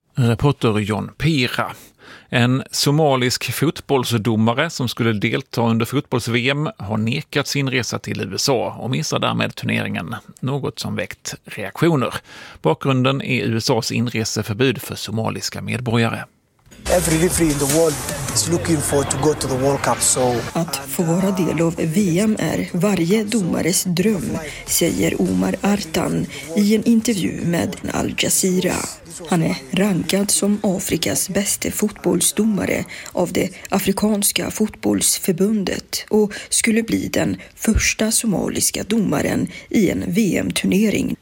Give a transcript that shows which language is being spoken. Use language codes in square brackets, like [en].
[sv] Reporter John Pira. En somalisk fotbollsdomare som skulle delta under fotbolls-VM har nekat sin resa till USA och missar därmed turneringen. Något som väckt reaktioner. Bakgrunden är USAs inreseförbud för somaliska medborgare. [en] Every referee in the world is looking for to go to the World Cup. So [sv] att få vara del av VM är varje domares dröm, säger Omar Artan i en intervju med Al Jazeera. Han är rankad som Afrikas bästa fotbollsdomare av det afrikanska fotbollsförbundet och skulle bli den första somaliska domaren i en VM-turnering.